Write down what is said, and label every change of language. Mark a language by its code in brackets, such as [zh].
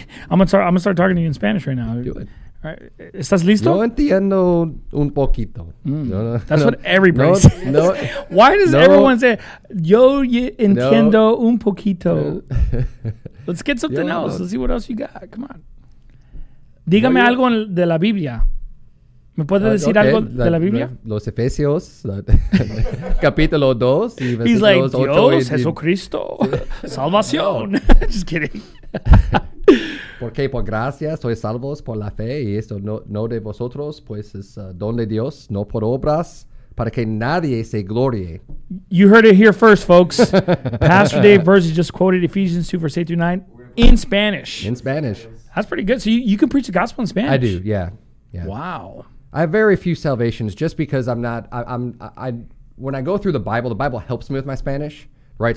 [en] I'm gonna start talking to you in Spanish right now. Do it. All right. [es] ¿Estás listo? No entiendo un poquito. [en] That's what everybody says. No, why does everyone say, [es] yo entiendo un poquito? [en] Let's get something else. Let's see what else you got. Come on. [es] Dígame algo de la Biblia. ¿Me puede decir algo de la Biblia? Los Efesios, capítulo 2. [en] He's like, Dios, Jesucristo, salvación. Just kidding. [es] Porque por gracia sois salvos por la fe, y esto no de vosotros, pues es don de Dios, no por obras, para que nadie se glorie. [en] You heard it here first, folks. Pastor Dave Verzi just quoted Ephesians 2, verse 8 through 9 in Spanish. In Spanish. That's pretty good. So you can preach the gospel in Spanish. I do, yeah. Wow. I have very few salvations just because when I go through the Bible helps me with my Spanish, right?